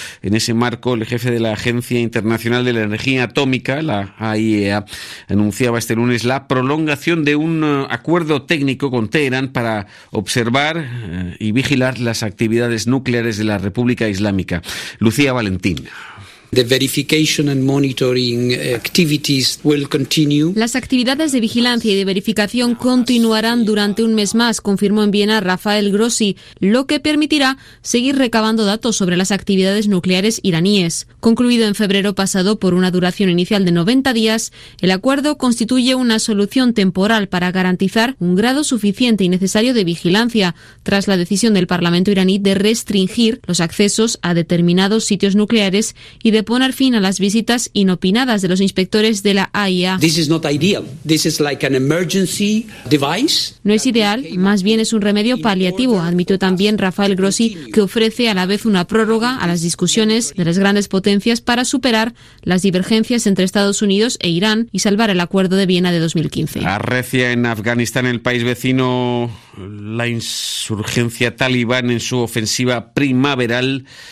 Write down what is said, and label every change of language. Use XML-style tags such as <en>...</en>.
<es>En ese marco, el jefe de la Agencia Internacional de la Energía Atómica, la AIEA, anunciaba este lunes la prolongación de un acuerdo técnico con Teherán para observar y vigilar las actividades nucleares de la República Islámica. Lucía Valentín.</es> <en>The verification and monitoring activities will continue.</en> <es>Las actividades de vigilancia y de verificación continuarán durante un mes más, confirmó en Viena Rafael Grossi, lo que permitirá seguir recabando datos sobre las actividades nucleares iraníes. Concluido en febrero pasado por una duración inicial de 90 días, el acuerdo constituye una solución temporal para garantizar un grado suficiente y necesario de vigilancia tras la decisión del Parlamento iraní de restringir los accesos a determinados sitios nucleares y de poner fin a las visitas inopinadas de los inspectores de la AIA.</es> <en>This is not ideal. This is like an emergency device.</en> <es>No es ideal, más bien es un remedio paliativo, admitió también Rafael Grossi, que ofrece a la vez una prórroga a las discusiones de las grandes potencias para superar las divergencias entre Estados Unidos e Irán y salvar el acuerdo de Viena de 2015. Arrecia en Afganistán, el país vecino, la insurgencia talibán en su ofensiva primaveral.</es>